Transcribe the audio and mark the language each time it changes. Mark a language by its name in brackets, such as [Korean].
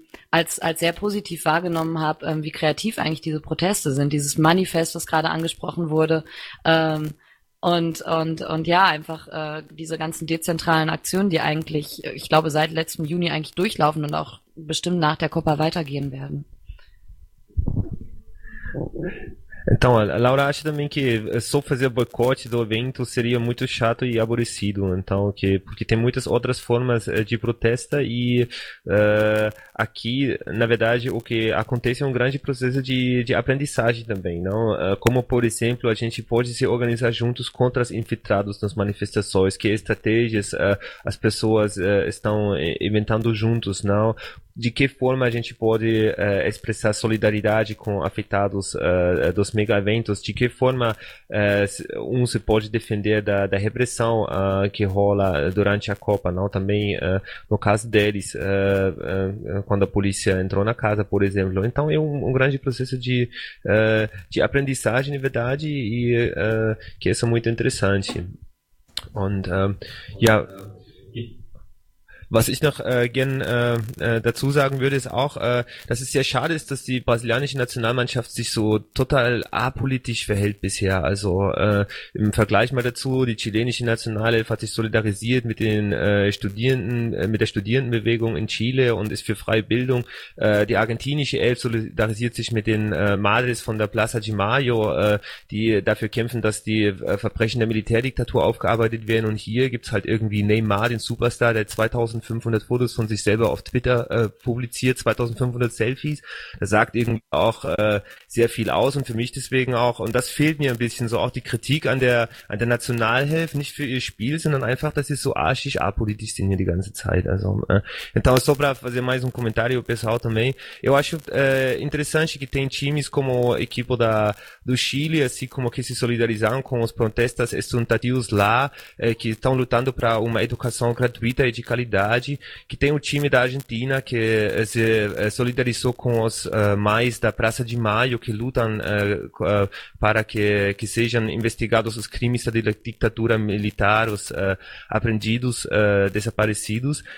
[German] als sehr positiv wahrgenommen habe, wie kreativ eigentlich diese Proteste sind, dieses Manifest, was gerade angesprochen wurde, einfach diese ganzen dezentralen Aktionen, die eigentlich, ich glaube, seit letztem Juni eigentlich durchlaufen und auch bestimmt nach der Copa weitergehen werden. [Portuguese] Então, a Laura acha também que só fazer boicote do evento seria muito chato e aborrecido, então, porque tem muitas outras formas de protesta e aqui, na verdade, o que acontece é um grande processo de aprendizagem também, não? Como, por exemplo, a gente pode se organizar juntos contra os infiltrados nas manifestações, que estratégias as pessoas estão inventando juntos, não? de que forma a gente pode expressar solidariedade com afetados dos mega-eventos, de que forma um se pode defender da repressão que rola durante a Copa, não? Também no caso deles, quando a polícia entrou na casa, por exemplo. Então é um grande processo de aprendizagem, na verdade, e que isso é muito interessante. [German] Und ja, was ich noch gern dazu sagen würde, ist auch, dass es sehr schade ist, dass die brasilianische Nationalmannschaft sich so total apolitisch verhält bisher. Also im Vergleich mal dazu, die chilenische Nationalelf hat sich solidarisiert mit den Studierenden, mit der Studierendenbewegung in Chile und ist für freie Bildung. Die argentinische Elf solidarisiert sich mit den Madres von der Plaza de Mayo, die dafür kämpfen, dass die Verbrechen der Militärdiktatur aufgearbeitet werden. Und hier gibt's halt irgendwie Neymar, den Superstar, der 2500 Fotos von sich selber auf Twitter publiziert, 2500 Selfies. Das sagt irgendwie auch sehr viel aus und für mich deswegen auch, und das fehlt mir ein bisschen, so auch die Kritik an der Nationalhelf, nicht für ihr Spiel, sondern einfach, dass sie so arschig apolitisch sind hier die ganze Zeit. [Portuguese] Also, então, só para fazer mais comentário pessoal também, eu acho interessante que tem times como a equipe do Chile, assim como que se solidarizaram com os protestos estudantis lá, que estão lutando para uma educação gratuita e de qualidade, que tem o time da Argentina que se solidarizou com os mais da Praça de Maio, que lutam para que sejam investigados os crimes da ditadura militar, os apreendidos, desaparecidos.